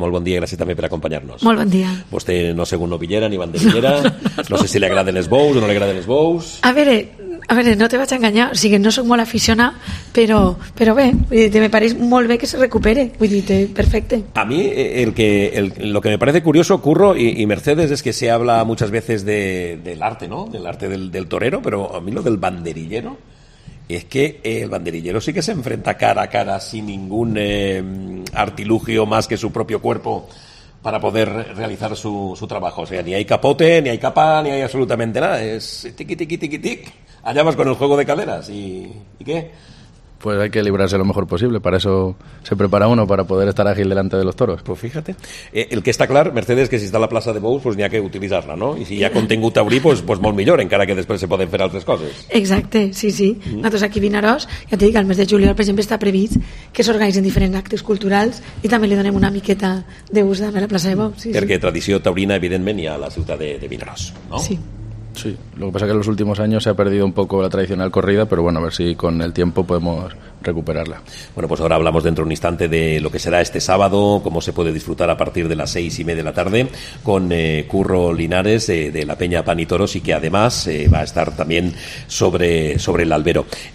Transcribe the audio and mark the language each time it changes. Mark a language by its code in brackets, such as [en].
[ca] Molt bon dia, gràcies també per acompanyar-nos. Molt bon dia. Vostè no sé, novillera ni banderillera, no sé si li agraden els bous o no li agraden els bous. A veure, no te vaig a enganyar, o sigui, no soc molt aficionat, però bé, me pareix molt bé que se recupere, vull dir, perfecte. [es] A mi, lo que me parece curioso, Curro y Mercedes, es que se habla muchas veces del arte, ¿no?, del arte del torero, pero a mí lo del banderillero, es que el banderillero sí que se enfrenta cara a cara sin ningún artilugio más que su propio cuerpo para poder realizar su trabajo. O sea, ni hay capote, ni hay capa, ni hay absolutamente nada, es tiqui, tiqui, tiqui, tiqui. Allá vas con el juego de caderas, ¿y qué? Pues hay que librarse lo mejor posible, para eso se prepara uno, para poder estar ágil delante de los toros. Pues fíjate, el que está claro, Mercedes, que si está la plaza de bous, pues ni hay que utilizarla, ¿no? Y si ya contengo taurí, pues [ca] molt millor, [es] encara que después se pueden hacer otras cosas. [ca] Exacte, sí, sí. [es] Nosotros aquí [ca] Vinaròs, ja te digo, el mes de juliol, per exemple, está previst que s'organitzen diferents actes culturals i també li donem una miqueta d'ús a la plaça de bous. Sí, perquè sí. Tradició taurina, evidentment, hi ha a la ciutat de Vinaròs, ¿no? Sí. [es] Sí, lo que pasa es que en los últimos años se ha perdido un poco la tradicional corrida, pero bueno, a ver si con el tiempo podemos recuperarla. Bueno, pues ahora hablamos dentro de un instante de lo que será este sábado, cómo se puede disfrutar a partir de las 6:30 de la tarde con Curro Linares de la Peña Pan y Toros, y que además va a estar también sobre el albero.